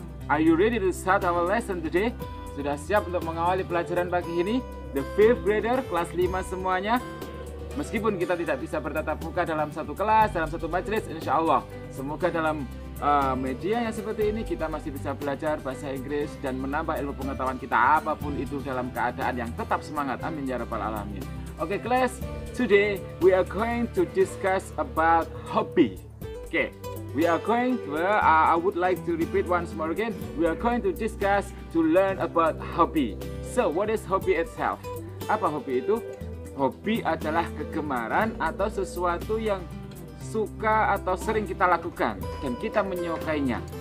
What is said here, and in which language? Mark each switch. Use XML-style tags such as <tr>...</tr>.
<en>Are you ready to start our lesson today?</en> <id>Sudah siap untuk mengawali pelajaran pagi ini?</id> <en>The fifth grader,</en> <id>kelas 5 semuanya. Meskipun kita tidak bisa bertatap muka dalam satu kelas, dalam satu majelis, insya Allah, semoga dalam media yang seperti ini kita masih bisa belajar bahasa Inggris dan menambah ilmu pengetahuan kita apapun itu dalam keadaan yang tetap semangat.</id> <ar>Amin ya rabbal alamin.</ar> <en>Okay, class, today we are going to discuss about hobby. Okay, I would like to repeat once more again. We are going to discuss to learn about hobby. So, what is hobby itself?</en> <id>Apa hobby itu? Hobi adalah kegemaran atau sesuatu yang suka atau sering kita lakukan dan kita menyukainya.</id>